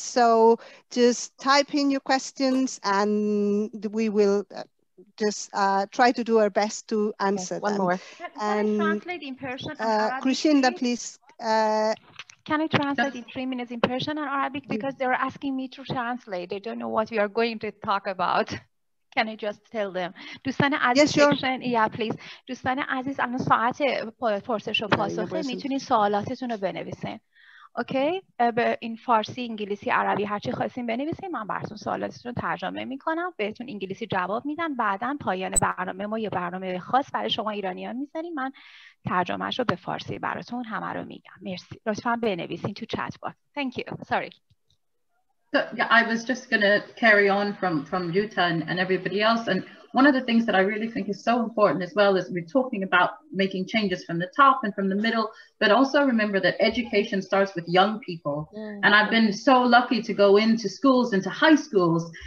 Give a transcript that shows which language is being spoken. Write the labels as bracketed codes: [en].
[en] So just type in your questions and we will just try to do our best to answer them. One more. Can I translate in person? Krishinda, please. Can I translate in 3 minutes in person and Arabic? Because they are asking me to translate. They don't know what we are going to talk about. Can I just tell them? [fa] دوستان عزیز دوستان عزیز الان ساعت پرسش و پاسخ میتونید سوالاتتون رو بنویسین. اوکی؟ به این فارسی، انگلیسی، عربی هر چی خواستین بنویسین، من براتون سوالاتتون رو ترجمه میکنم، بهتون انگلیسی جواب میدم، بعداً پایان برنامه ما یه برنامه خاص برای شما ایرانیان میذاریم، من ترجمه‌اش رو به فارسی براتون همه رو میگم. مرسی. لطفاً بنویسین تو چت باکس. [en] Thank you. Sorry. So, yeah, I was just going to carry on from Yuta and everybody else. And one of the things that I really think is so important as well is we're talking about making changes from the top and from the middle, but also remember that education starts with young people. Mm-hmm. And I've been so lucky to go into schools, into high schools.